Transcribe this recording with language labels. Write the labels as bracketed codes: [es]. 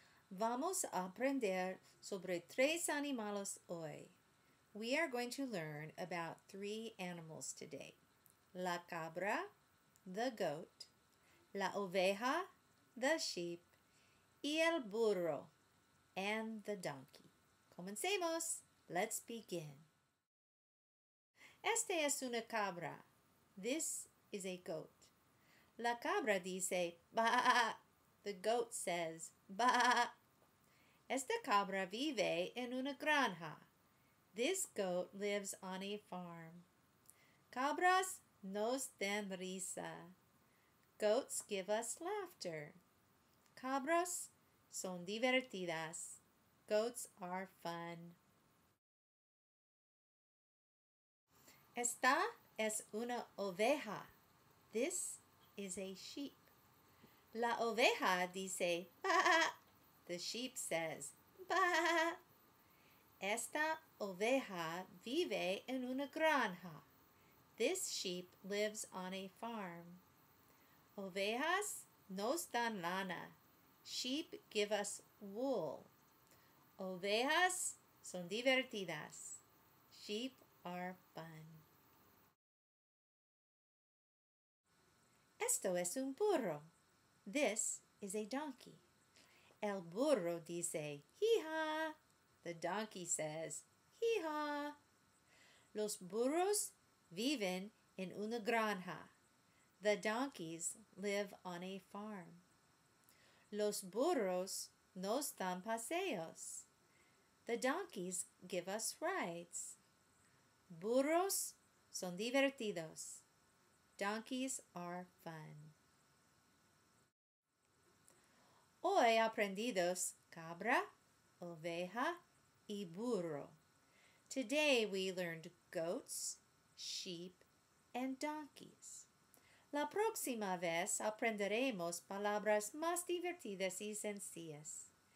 [es] Vamos a aprender sobre tres animales hoy. [en] We are going to learn about three animals today. [es] La cabra, [en] the goat, [es] la oveja, [en] the sheep, [es] y el burro, [en] and the donkey. [es] Comencemos. [en] Let's begin. [es] Esta es una cabra. [en] This is a goat. [es] La cabra dice, baa. [en] The goat says, baa. [es] Esta cabra vive en una granja. [en] This goat lives on a farm. [es] Cabras nos dan risa. [en] Goats give us laughter. [es] Cabras son divertidas. [en] Goats are fun. [es] Esta es una oveja. [en] This is a sheep. [es] La oveja dice, baa. [en] The sheep says, baa. [es] Esta oveja vive en una granja. [en] This sheep lives on a farm. [es] Ovejas nos dan lana. [en] Sheep give us wool. [es] Ovejas son divertidas. [en] Sheep are fun. [es] Esto es un burro. [en] This is a donkey. [es] El burro dice, hee-haw. [en] The donkey says, hee-haw. [es] Los burros viven en una granja. [en] The donkeys live on a farm. [es] Los burros nos dan paseos. [en] The donkeys give us rides. [es] Burros son divertidos. [en] Donkeys are fun. [es] Hoy aprendidos cabra, oveja, y burro. [en] Today we learned goats, sheep, and donkeys. [es] La próxima vez aprenderemos palabras más divertidas y sencillas.